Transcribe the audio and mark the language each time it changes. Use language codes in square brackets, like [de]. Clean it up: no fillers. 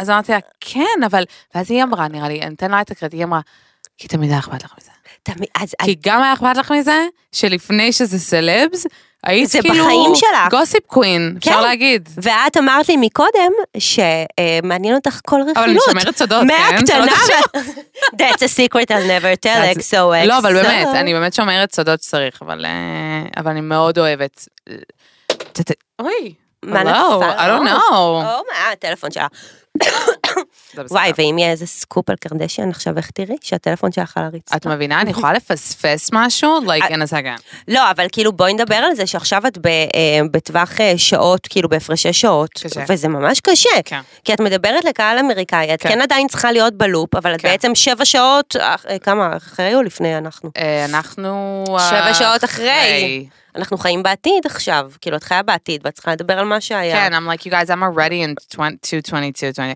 [he] אז אמרתי לה, כן, אבל, ואז היא אמרה, נראה לי, אני אתן לה את הקרדיט, היא אמרה, כי תמיד היה אכפת לך מזה. כי גם היה אכפת לך מזה, שלפני שזה סלבס, היית זה כאילו בחיים שלך. גוסיפ קווין, כן. אפשר להגיד. ואת אמרת לי מקודם שמעניין אותך כל רכילות. אבל אני שומרת סודות, מהקטנה, כן? מהקטנה. [en] That's a secret I'll never tell, XOXO. [he] לא, אבל באמת, אני באמת שומרת סודות שצריך, אבל אני מאוד אוהבת. אוי, מה נפסה? [en] Hello, I don't know. [he] מה, הטלפון שלה. וואי, ואם יהיה איזה סקופ על קרדשיאן, עכשיו איך תראי שהטלפון שלך על הריצפה? את מבינה? אני יכולה לפספס משהו? [en] Like in a second. [he] לא, אבל כאילו בואי נדבר על זה, שעכשיו את בטווח שעות, כאילו בהפרשי שעות, וזה ממש קשה. כי את מדברת לקהל אמריקאי, את כן עדיין צריכה להיות בלופ, אבל את בעצם 7 שעות, כמה, אחרי או לפני אנחנו? אנחנו 7 שעות אחרי. אנחנו חיים בעתיד עכשיו, כאילו את חיה בעתיד, ואת צריכה לדבר על מה שהיה. [en] כן, I'm like, you guys, I'm already in 2022.